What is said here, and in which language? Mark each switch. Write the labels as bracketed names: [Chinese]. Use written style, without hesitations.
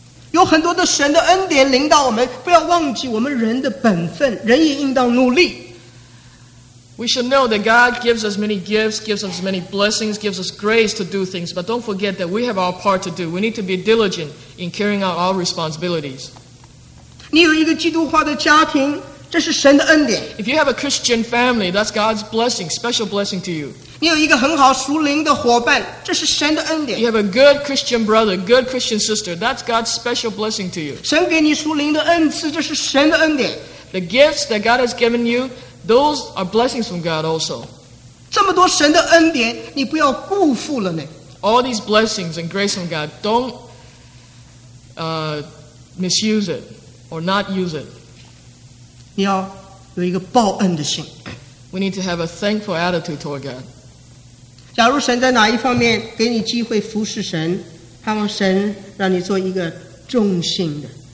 [Chinese] 有很多的神的恩典领导我们，不要忘记我们人的本分，人也应当努力。 [English] We should know that God gives us many gifts, gives us many blessings, gives us grace to do things, but don't forget that we have our part to do. We need to be diligent in carrying out our responsibilities. [Chinese] 你有一个基督化的家庭, 这是神的恩典。 [English] If you have a Christian family, that's God's blessing, special blessing to you. [Chinese] 你有一个很好属灵的伙伴, 这是神的恩典。 [English] You have a good Christian brother, good Christian sister, that's God's special blessing to you. [Chinese] 神给你属灵的恩赐, 这是神的恩典。 [English] The gifts that God has given you, those are blessings from God also. [Chinese] 这么多神的恩典, 你不要辜负了呢。 [English] All these blessings and grace from God, don't misuse it or not use it. [Chinese] 你要有一个报恩的心。 [English] We need to have a thankful attitude toward God. [Chinese] 假如神在哪一方面给你机会服侍神, 盼望神让你做一个忠心的。